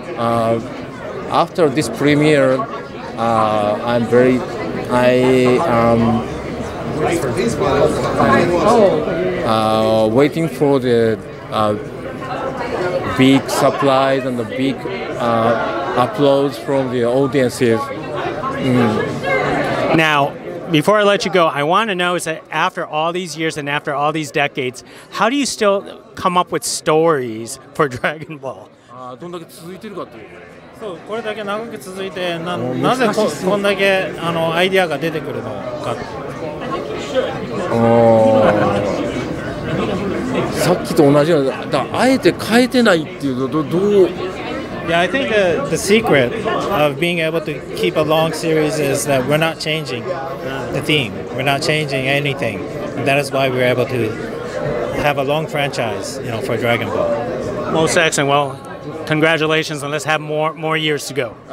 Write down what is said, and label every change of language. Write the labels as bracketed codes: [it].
[en] After this premiere, waiting for the big supplies and the big applause from the audiences. Now, before I let you go, I want to know, is that after all these years and after all these decades, how do you still come up with stories for Dragon Ball? [ja] どんだけ続いてるかという。そう、これだけ長く続いて、なぜこんだけあのアイデアが出てくるのか。さっきと同じような、だあえて変えてないっていうのはどう。 [en] Yeah, I think the secret of being able to keep a long series is that we're not changing the theme. We're not changing anything. And that is why we're able to have a long franchise, you know, for Dragon Ball. Most excellent. Well, congratulations, and let's have more years to go.